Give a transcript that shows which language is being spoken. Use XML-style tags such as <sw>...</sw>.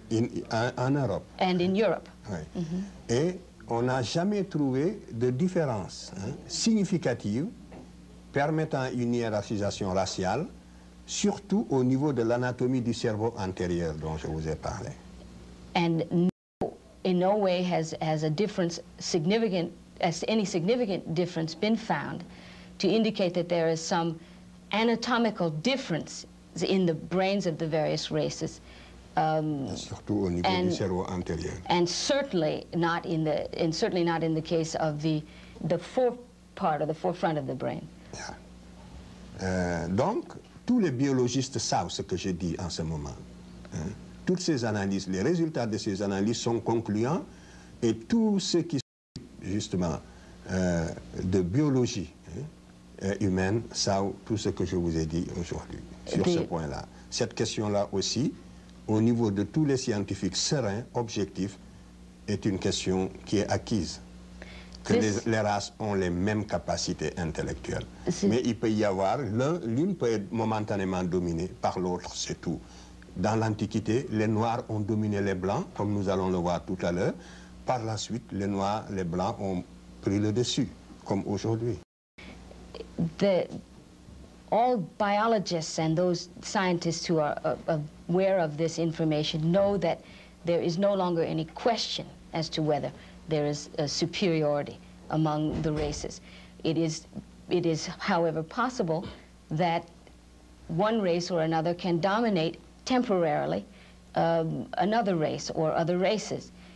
<fr>En Europe.</fr> <en>And in Europe.</en> <fr>Oui. Mm-hmm. On n'a jamais trouvé de différence significative permettant une hiérarchisation raciale, surtout au niveau de l'anatomie du cerveau antérieur dont je vous ai parlé.</fr> <en>And in no way has a difference significant, has any significant difference been found to indicate that there is some anatomical difference in the brains of the various races.</en> <fr>Surtout au niveau du cerveau antérieur.</fr> <en>And certainly not in the case of the forepart or the forefront of the brain. Yeah.</en> <fr>Donc tous les biologistes savent ce que je dis en ce moment. Toutes ces analyses, les résultats de ces analyses sont concluants, et tous ceux qui sont justement de biologie humaine savent tout ce que je vous ai dit aujourd'hui sur ce point-là. Cette question-là aussi, au niveau de tous les scientifiques sereins, objectifs, est une question qui est acquise. Que les races ont les mêmes capacités intellectuelles. Mais il peut y avoir, l'une peut être momentanément dominée par l'autre, c'est tout. Dans l'Antiquité, les Noirs ont dominé les Blancs, comme nous allons le voir tout à l'heure. Par la suite, les Noirs, les Blancs ont pris le dessus, comme aujourd'hui.</fr> <en>All biologists and those scientists who are aware of this information know that there is no longer any question as to whether there is a superiority among the races. It is, however, possible that one race or another can dominate temporarily another race or other races.</en>